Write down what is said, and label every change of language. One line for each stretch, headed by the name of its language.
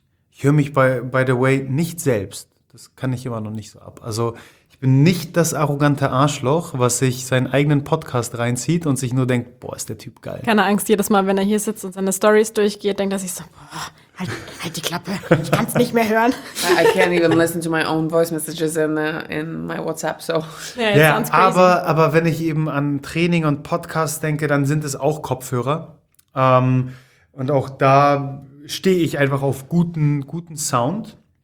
German: Ich höre mich,
English: by the way,
German: nicht selbst. Das kann ich immer noch nicht so ab. Also ich bin nicht das arrogante Arschloch, was sich seinen eigenen Podcast reinzieht und sich nur denkt, boah, ist der Typ geil. Keine Angst, jedes Mal, wenn er hier sitzt und seine Stories durchgeht, denkt er sich so, boah, halt die Klappe, ich kann es nicht mehr hören.
English: I can't even listen to my own voice messages in my WhatsApp, so.
German: Ja, aber wenn ich eben an Training und Podcast denke, dann sind es auch Kopfhörer. Und auch da stehe ich einfach auf guten Sound.